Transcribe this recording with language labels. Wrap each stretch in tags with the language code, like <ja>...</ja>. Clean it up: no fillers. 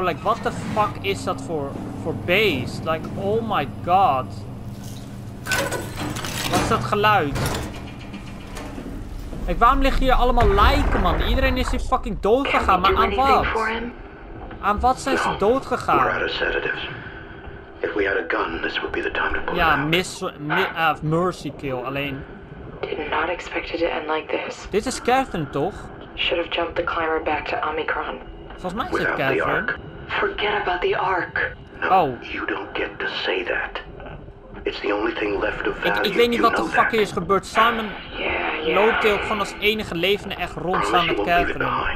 <en>Like, what the fuck is</en> <nl>dat voor beest?</nl> <en>Like, oh my god.</en> <nl>Wat is dat geluid? Like, waarom liggen hier allemaal lijken, man? Iedereen is hier fucking dood gegaan, maar aan wat? Aan wat zijn ze dood gegaan?</nl> <en>If we had a gun, this would be the time to pull it out. Ja, mercy kill, alleen. Did not expect it to end like this.</en> <nl>Dit is Catherine, toch?</nl> <en>Should have jumped the climber back to Omicron.</en> <nl>Volgens mij is het Catherine.</nl> <en>Forget about the Ark. No, you don't get to say that. It's the only thing left of value.</en> <nl>Ik weet niet wat de fuck hier is gebeurd. Simon loopt hier ook gewoon als enige levende echt rond samen met Catherine.</nl>